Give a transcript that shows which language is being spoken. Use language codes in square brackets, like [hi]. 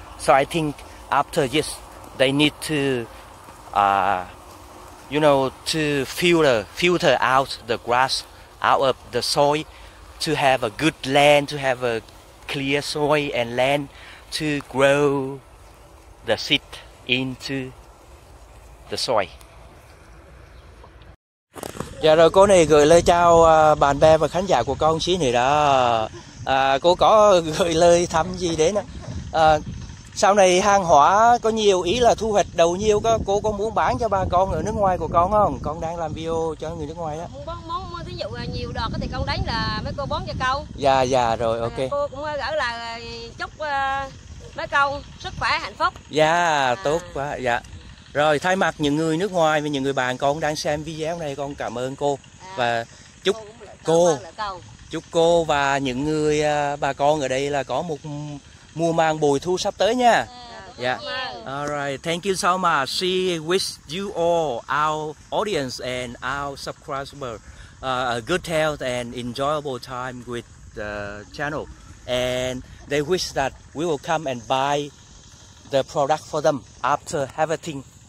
[en] So I think after this, they need to, to filter out the grass out of the soil to have a good land, to have a clear soil and land to grow the seed into the soil. [vi] Dạ rồi, cô này gửi lời chào bạn bè và khán giả của con xí này đó. Cô có gửi lời thăm gì đến ạ? Sau này hàng hóa có nhiều, ý là thu hoạch đầu nhiều, cô có muốn bán cho bà con ở nước ngoài của con không? Con đang làm video cho người nước ngoài đó. Không có món, ví dụ là nhiều đọt thì con đánh là mấy cô bán cho câu. Dạ dạ rồi, ok. Cô cũng gửi là chúc mấy câu sức khỏe, hạnh phúc. Dạ, tốt quá, dạ. Rồi, thay mặt những người nước ngoài và những người bạn con đang xem video này, con cảm ơn cô. Và chúc cô và những người bà con ở đây là có một mùa màng bội thu sắp tới nha. [en] All right, thank you so much. She wish you all, our audience and our subscribers, a good health and enjoyable time with the channel. And they wish that we will come and buy the product for them after everything.